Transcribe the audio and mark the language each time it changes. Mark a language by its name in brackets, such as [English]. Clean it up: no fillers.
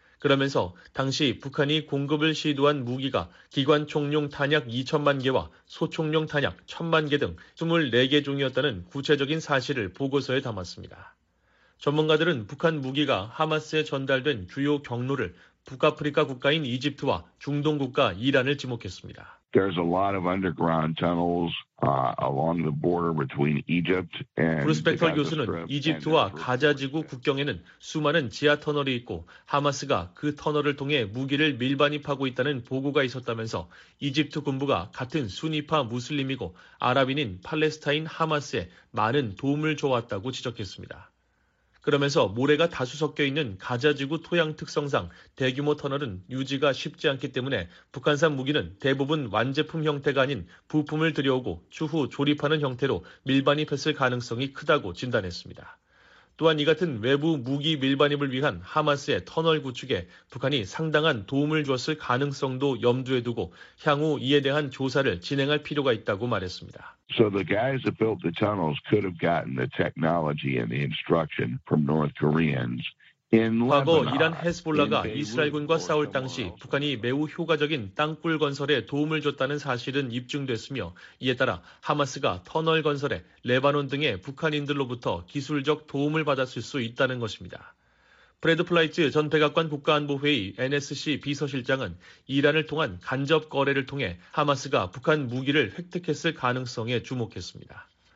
[Korean] 그러면서 당시 북한이 공급을 시도한 무기가 기관총용 탄약 2천만 개와 소총용 탄약 1천만 개 등 24개 종이었다는 구체적인 사실을 보고서에 담았습니다. 전문가들은 북한 무기가 하마스에 전달된 주요 경로를 북아프리카 국가인 이집트와 중동 국가 이란을 지목했습니다. [English] There's a lot of underground tunnels along the border between Egypt and [Korean] 브루스 벡터 교수는 이집트와 가자 지구 국경에는 수많은 지하 터널이 있고 하마스가 그 터널을 통해 무기를 밀반입하고 있다는 보고가 있었다면서 이집트 군부가 같은 수니파 무슬림이고 아랍인인 팔레스타인 하마스에 많은 도움을 줘왔다고 지적했습니다. 그러면서 모래가 다수 섞여 있는 가자지구 토양 특성상 대규모 터널은 유지가 쉽지 않기 때문에 북한산 무기는 대부분 완제품 형태가 아닌 부품을 들여오고 추후 조립하는 형태로 밀반입했을 가능성이 크다고 진단했습니다. 또한 이 같은 외부 무기 밀반입을 위한 하마스의 터널 구축에 북한이 상당한 도움을 주었을 가능성도 염두에 두고 향후 이에 대한 조사를 진행할 필요가 있다고 말했습니다. [English] So the guys that built the tunnels could have gotten the technology and the instruction from North Koreans. [Korean] 과거 이란 헤스볼라가 이스라엘군과 싸울 당시 북한이 매우 효과적인 땅굴 건설에 도움을 줬다는 사실은 입증됐으며 이에 따라 하마스가 터널 건설에 레바논 등의 북한인들로부터 기술적 도움을 받았을 수 있다는 것입니다. 프레드 플라이츠 전 백악관 국가안보회의 NSC 비서실장은 이란을 통한 간접 거래를 통해 하마스가 북한 무기를 획득했을 가능성에 주목했습니다.